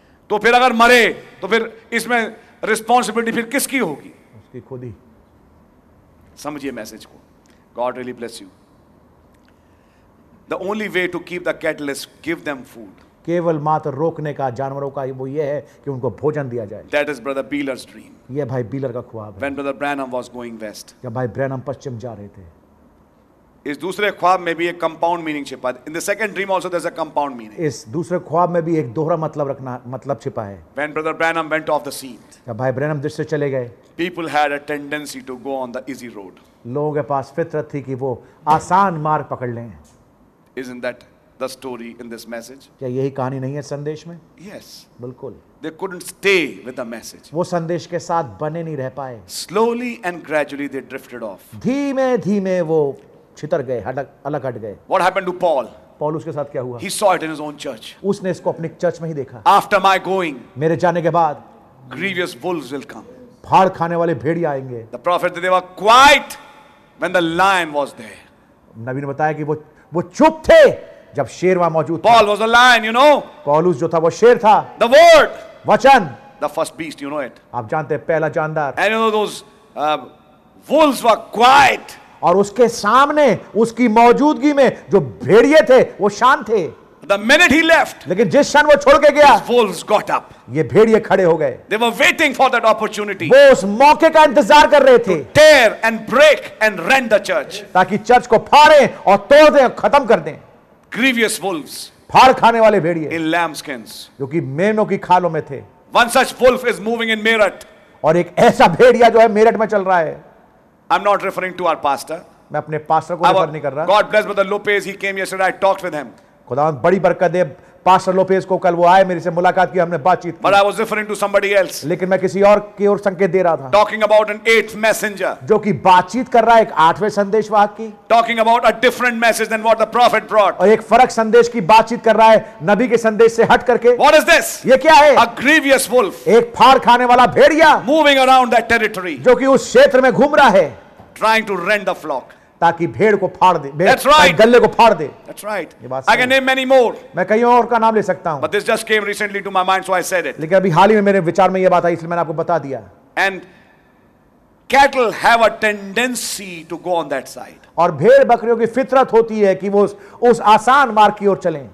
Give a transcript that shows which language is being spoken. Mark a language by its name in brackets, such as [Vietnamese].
[Hindi] तो फिर अगर मरे तो फिर इसमें रिस्पॉन्सिबिलिटी फिर किसकी होगी? उसकी खुद ही। समझिए मैसेज को। [English] God really bless you. The only way to keep the catalyst, give them food. [Hindi] केवल मात्र रोकने का जानवरों का वो ये है कि उनको भोजन दिया जाए। [English] That is brother Beeler's dream. [Hindi] ये भाई बीलर का ख्वाब है। [English] When brother Branham was going west. [Hindi] जब भाई ब्रैनम पश्चिम जा रहे थे। इस दूसरे ख्वाब में भी एक कंपाउंड मीनिंग छिपा है। [English] In the second dream also there's a compound meaning. [Hindi] इस दूसरे ख्वाब में भी एक दोहरा मतलब रखना मतलब छिपा है। [English] When brother Branham went off the scene. [Hindi] जब भाई ब्रैनम दृश्य से चले गए। [English] People had a tendency to go on the easy road. [Hindi] लोगों के पास फितरत थी कि वो आसान मार्ग पकड़ लें। [English] Isn't that the story in this message? [Hindi] क्या यही कहानी नहीं है संदेश में? [English] Yes. [Hindi] बिल्कुल. [English] They couldn't stay with the message. [Hindi] वो संदेश के साथ बने नहीं रह पाए. [English] Slowly and gradually they drifted off. [Hindi] धीमे-धीमे वो छितर गए, अलग हट गए. [English] What happened to Paul? [Hindi] Paul उसके साथ क्या हुआ? [English] He saw it in his own church. [Hindi] उसने इसको अपने चर्च में ही देखा. [English] After my going. [Hindi] मेरे जाने के बाद. [English] Grievous wolves will come. [Hindi] फाड़ खाने वाले भेड़िये आएंगे. [English] The prophet they were quiet when the lion was there. [Hindi] नबी ने बताया कि वो चुप थे जब शेर वहां मौजूद था। [English] Paul was a lion, you know. [Hindi] पौलुस जो था वो शेर था। [English] The word. [Hindi] वचन। [English] The first beast, you know it. [Hindi] आप जानते हैं पहला जानदार। [English] And you know those wolves were quiet. [Hindi] और उसके सामने उसकी मौजूदगी में जो भेड़िये थे वो शांत थे। [English] The minute he left. [Hindi] लेकिन जिस क्षण वो छोड़ के गया। [English] His wolves got up. [Hindi] ये भेड़िये खड़े हो गए। [English] They were waiting for that opportunity. [Hindi] वो उस मौके का इंतजार कर रहे थे। [English] To tear and break and rend the church. [Hindi] ताकि चर्च को फाड़े और तोड़ दें, खत्म कर दें। [English] Grievous wolves. [Hindi] फाड़ खाने वाले भेड़िये। [English] In lambskins. [Hindi] जो कि मेनों की खालों में थे। [English] One such wolf is moving in Meerut. [Hindi] और एक ऐसा भेड़िया जो है मेरठ में चल रहा है। [English] I'm not referring to our pastor. [Hindi] मैं अपने पास्टर को रेफर नहीं कर रहा। [English] God bless brother Lopez. He came yesterday. I talked with him. [Hindi] खुदावंद बड़ी बरकत दे पास्टर लोपेज को, कल वो आए मेरे से मुलाकात की, हमने बातचीत की। [English] But I was referring to somebody else. [Hindi] लेकिन मैं किसी और की ओर संकेत दे रहा था। [English] Talking about an eighth messenger. [Hindi] जो कि बातचीत कर रहा है एक आठवें संदेशवाहक की। [English] Talking about a different message than what the prophet brought. [Hindi] और एक फर्क संदेश की बातचीत कर रहा है नबी के संदेश से हट करके। [English] What is this? [Hindi] ये क्या है? [English] A grievous wolf. [Hindi] एक फाड़ खाने वाला भेड़िया। [English] Moving around that territory. [Hindi] जो कि उस क्षेत्र में घूम रहा है। [English] Trying to rend the flock. [Hindi] ताकि भेड़ को फाड़ दे, [English] That's right. [Hindi] गल्ले को फाड़ दे. [English] That's right. [Hindi] ये बात [English] I can name many more. [Hindi] मैं कई और का नाम ले सकता हूँ. [English] But this just came recently to my mind, so I said it. [Hindi] लेकिन अभी हाल ही में मेरे विचार में ये बात आई, इसलिए मैंने आपको बता दिया. [English] And cattle have a tendency to go on that side. [Hindi] और भेड़ बकरियों की फितरत होती है कि वो उस आसान मार्ग की ओर चलें.